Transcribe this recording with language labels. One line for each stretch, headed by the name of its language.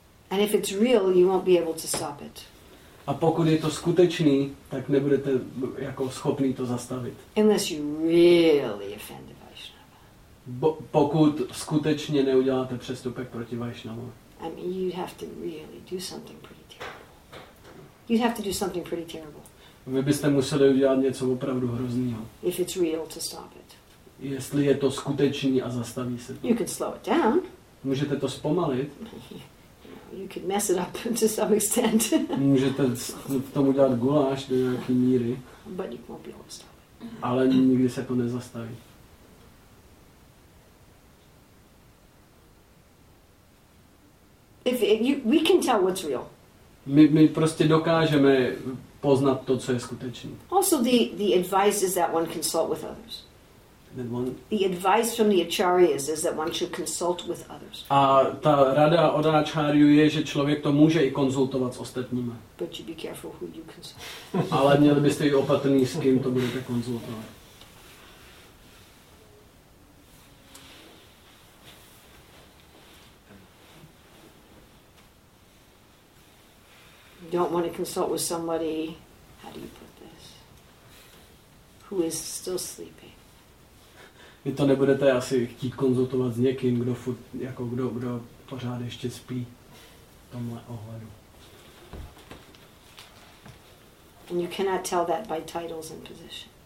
English: And if it's real, you won't be able to stop it.
Czech: A pokud je to skutečný, tak nebudete jako schopný to zastavit.
English: Unless you really offend Vaishnava.
Czech: Pokud skutečně neuděláte přestupek proti Vaishnavu.
English: I mean, you'd have to really do something pretty terrible. You'd have to do something pretty terrible.
Czech: Vy byste museli udělat něco opravdu hroznýho.
English: If it's real, to stop it.
Czech: Jestli je to skutečný a zastaví se to.
English: You can slow it down.
Czech: Můžete to zpomalit.
English: You can mess it up to some extent.
Czech: Můžete v tom udělat guláš do nějaký míry.
English: But you won't be able to stop it.
Czech: Ale nikdy se to nezastaví.
English: We can tell what's real.
Czech: My prostě dokážeme poznat to, co je skutečný.
English: Also the advice is that one consult with others. The advice from the acharyas is that one should consult with others.
Czech: A ta rada od acharyů je, že člověk to může i konzultovat s ostatními.
English: But you be careful who you consult.
Czech: Ale měli byste být opatrní, s kým to budete konzultovat.
English: Don't want to consult with somebody, how do you put this, who is still sleeping.
Czech: Vy to nebudete asi chtít konzultovat s někým, kdo pořád ještě spí v tomhle ohledu.
English: And you cannot tell that by titles and positions.